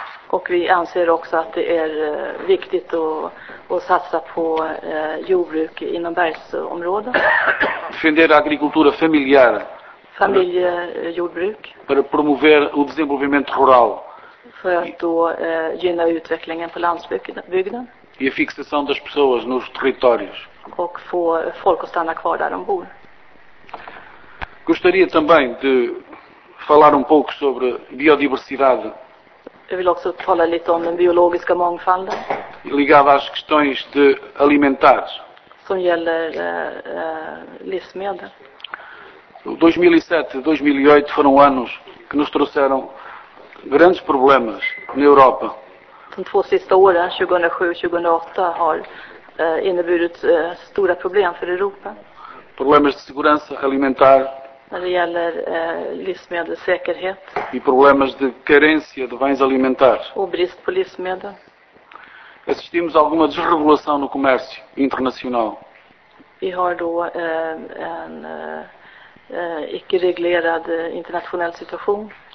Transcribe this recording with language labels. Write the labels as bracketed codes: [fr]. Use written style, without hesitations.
[sv] O que anser också att det är viktigt att satsa på jordbruk inom bergsområden. [pt] Defender a agricultura familiar. [sv] Familjejordbruk. [pt] Para promover o desenvolvimento rural. [sv] För att då gynna utvecklingen på landsbygden. [pt] E a fixação das pessoas nos territórios. [sv] Och få folk att stanna kvar där de bor. [pt] Gostaria também de falar um pouco sobre biodiversidade. [sv] Jag vill också tala lite om den biologiska mångfalden. [pt] Ligada às questões de alimentares. [sv] Som gäller livsmedel. [pt] 2007 e 2008 foram anos que nos trouxeram grandes problemas na Europa. [sv] De två sista åren, 2007 e 2008, har inneburit stora problem för Europa. [pt] Problemas de segurança alimentar. [sv] När det gäller livsmedelssäkerhet. [pt] E problemas de carência de bens alimentares. [sv] Och brist på livsmedel. [pt] Assistimos a alguma desregulação no comércio internacional. [sv] Vi har då en icke-reglerad internationell situation.